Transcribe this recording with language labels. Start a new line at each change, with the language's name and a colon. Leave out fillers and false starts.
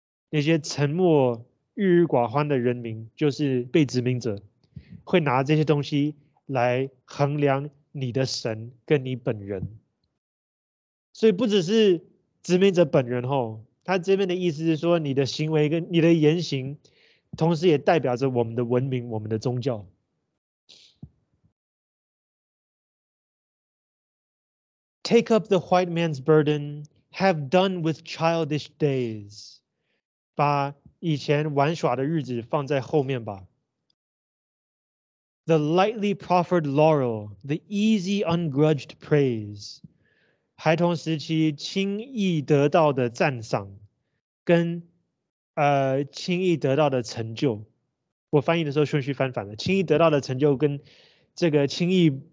Chinese: 那些沉默郁郁寡欢的人民，就是被殖民者，会拿这些东西来衡量你的神跟你本人。所以不只是殖民者本人，他这边的意思是说，你的行为跟你的言行，同时也代表着我们的文明、我们的宗教。
English: Take up the white man's burden, have done with childish days.
Chinese: 把以前玩耍的日子放在后面吧。
English: The lightly proffered laurel, the easy ungrudged praise,
Chinese: 孩童时期轻易得到的赞赏，跟轻易得到的成就。我翻译的时候顺序翻反了，轻易得到的成就跟这个轻易